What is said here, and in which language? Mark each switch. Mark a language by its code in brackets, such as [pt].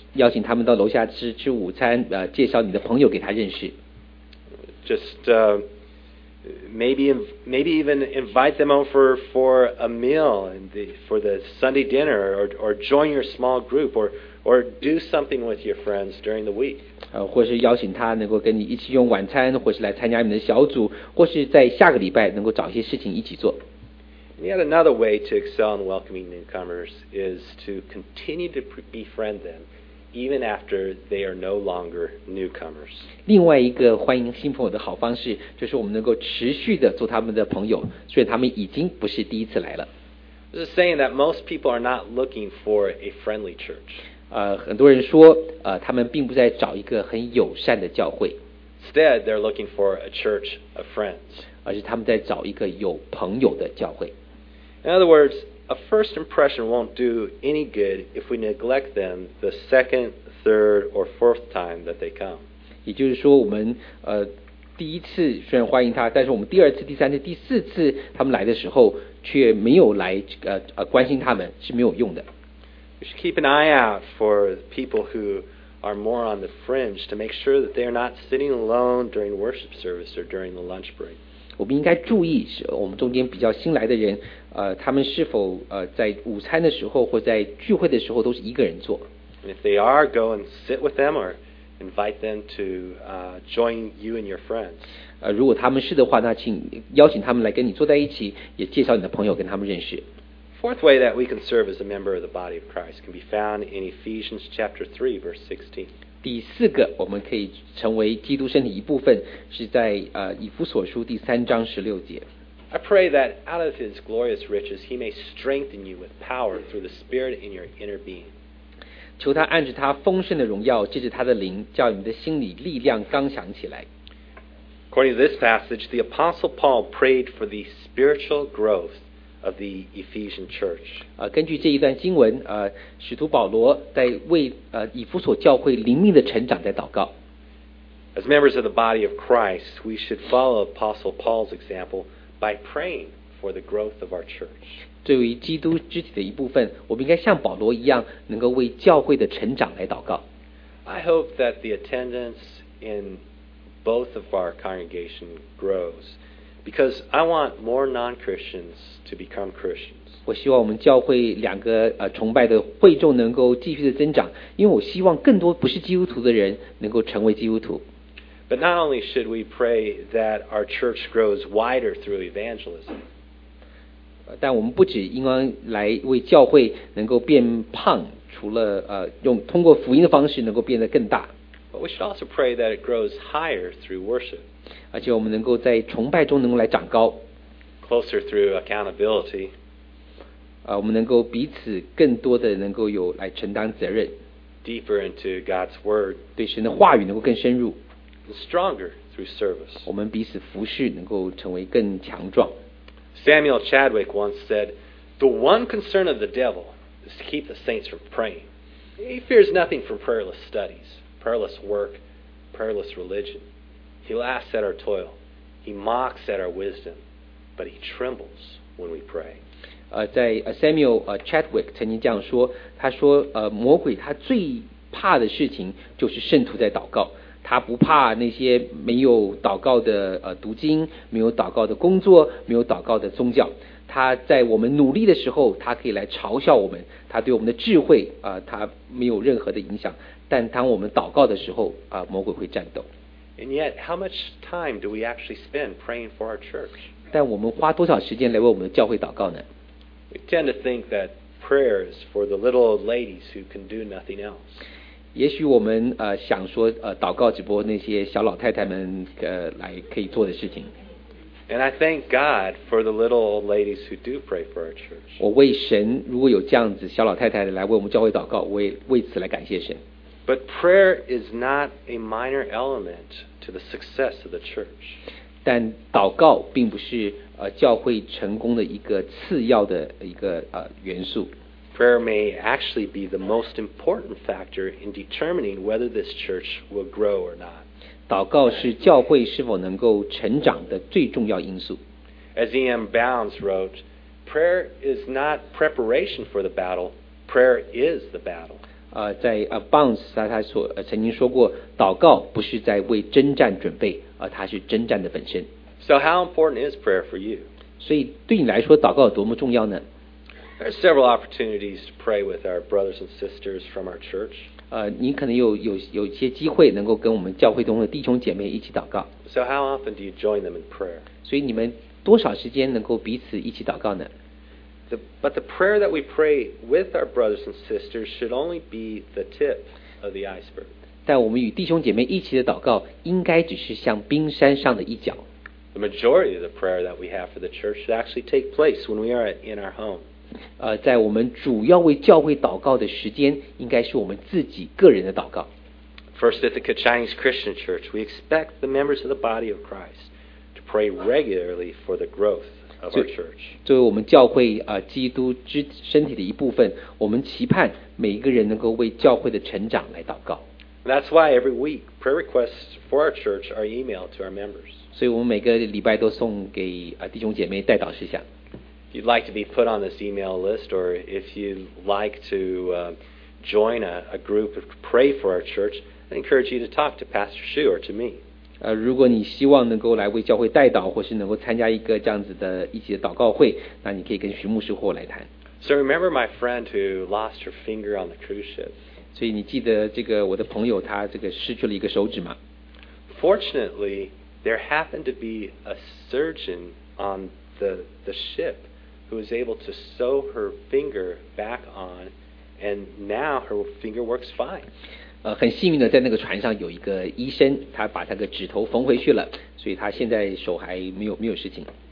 [zh] 邀请他们到楼下吃午餐，介绍你的朋友给他认识。 [en] Just maybe even invite them over for a meal and for the Sunday dinner, or join your small group, or do something with your friends during the week. [zh] 或是邀请他能够跟你一起用晚餐，或是来参加你们的小组，或是在下个礼拜能够找一些事情一起做。 [en] And yet another way to excel in welcoming newcomers is to continue to befriend them even after they are no longer newcomers. [zh] 另外一个欢迎新朋友的好方式就是我们能够持续的做他们的朋友，虽然他们已经不是第一次来了。 [en] This is saying that most people are not looking for a friendly church. [zh] 很多人说他们并不在找一个很友善的教会。 [en] Instead, they're looking for a church of friends. [zh] 而是他们在找一个有朋友的教会。 [en] In other words, a first impression won't do any good if we neglect them the second, third, or fourth time that they come. [zh] 也就是说我们第一次虽然欢迎他，但是我们第二次、第三次、第四次他们来的时候却没有来关心他们是没有用的。 [en] We should keep an eye out for people who are more on the fringe to make sure that they are not sitting alone during worship service or during the lunch break. [zh] 我们应该注意我们中间比较新来的人他们是否在午餐的时候或在聚会的时候都是一个人坐。 [en] And if they are, go and sit with them or invite them to join you and your friends. [zh] 如果他们是的话，那请邀请他们来跟你坐在一起，也介绍你的朋友跟他们认识。 [en] Fourth way that we can serve as a member of the body of Christ can be found in Ephesians chapter 3, verse 16. [zh] 第四个我们可以成为基督身体一部分是在以弗所书第三章十六节。 [en] I pray that out of his glorious riches he may strengthen you with power through the Spirit in your inner being. [zh] 求他按着他丰盛的荣耀，借着他的灵，叫你们的心里力量刚强起来。 [en] According to this passage, the Apostle Paul prayed for the spiritual growth of the Ephesian church. [zh] 根据这一段经文，使徒保罗在为以弗所教会灵命的成长在祷告。 [en] As members of the body of Christ, we should follow Apostle Paul's example by praying for the growth of our church. [zh] 作为基督肢体的一部分，我们应该像保罗一样，能够为教会的成长来祷告。 [en] I hope that the attendance in both of our congregation grows. Because I want more non-Christians to become Christians. [zh] 我希望我们教会两个崇拜的会众能够继续的增长，因为我希望更多不是基督徒的人能够成为基督徒。 [en] But not only should we pray that our church grows wider through evangelism. [zh] 但我们不只应该来为教会能够变胖，除了用通过福音的方式能够变得更大。 [en] But we should also pray that it grows higher through worship. [zh] 而且我们能够在崇拜中能够来长高 [en] closer through accountability [zh] 我们能够彼此更多的能够有来承担责任 [en] deeper into God's word [zh] 对神的话语能够更深入 [en] stronger through service [zh] 我们彼此服侍能够成为更强壮 [en] Samuel Chadwick once said the one concern of the devil is to keep the saints from praying he fears nothing from prayerless studies prayerless work prayerless religionHe laughs at our toil. He mocks at our wisdom. But he trembles when we pray. [zh] 在 Samuel Chadwick 曾经这样说，他说魔鬼他最怕的事情就是圣徒在祷告。他不怕那些没有祷告的读经，没有祷告的工作，没有祷告的宗教。他在我们努力的时候，他可以来嘲笑我们。他对我们的智慧他没有任何的影响。但当我们祷告的时候魔鬼会战斗。 [en] And yet, how much time do we actually spend praying for our church? [zh] 但我们花多少时间来为我们的教会祷告呢？ [en] We tend to think that prayer is for the little old ladies who can do nothing else. [zh] 也许我们想说祷告只不过那些小老太太们来可以做的事情。 [en] And I thank God for the little old ladies who do pray for our church. [zh] 我为神如果有这样子小老太太来为我们教会祷告，我也为此来感谢神。 [en] But prayer is not a minor element to the success of the church. [zh] 但祷告并不是教会成功的一个次要的一个元素。 [en] Prayer may actually be the most important factor in determining whether this church will grow or not. [zh] 祷告是教会是否能够成长的最重要因素。 [en] As E.M. Bounds wrote, prayer is not preparation for the battle, prayer is the battle. [zh] 在 Bounds 他曾经说过，祷告不是在为征战准备，它是征战的本身。 [en] So how important is prayer for you? [zh] 所以对你来说祷告有多么重要呢？ [en] There are several opportunities to pray with our brothers and sisters from our church. [zh] 你可能有一些机会能够跟我们教会中的弟兄姐妹一起祷告。 [en] So how often do you join them in prayer? [zh] 所以你们多少时间能够彼此一起祷告呢？ [en] But the prayer that we pray with our brothers and sisters should only be the tip of the iceberg. [zh] 但我们与弟兄姐妹一起的祷告应该只是像冰山上的一角。 [en] The majority of the prayer that we have for the church should actually take place when we are in our home. [zh] 在我们主要为教会祷告的时间应该是我们自己个人的祷告。 [en] First at the Kachinese Christian Church, we expect the members of the body of Christ to pray regularly for the growth of our church. [zh] 作为我们教会基督之身体的一部分，我们期盼每一个人能够为教会的成长来祷告。 [en] That's why every week, prayer requests for our church are emailed to our members. [zh] 所以我们每个礼拜都送给弟兄姐妹代祷事项。 [en] You'd like to be put on this email list, or if you'd like to join a group to pray for our church, I encourage you to talk to Pastor Hsu or to me. [zh] 如果你希望能够来为教会代祷，或是能够参加一个这样子的一起的祷告会，那你可以跟徐牧师或来谈。 [en] So remember my friend who lost her finger on the cruise ship. [zh] 所以你记得这个我的朋友他这个失去了一个手指吗？ [en] Fortunately, there happened to be a surgeon on the ship. Who was able to sew her finger back on, and now her finger works fine. [zh] 很幸运的，在那个船上有一个医生，他把那个指头缝回去了，所以他现在手还没有事情。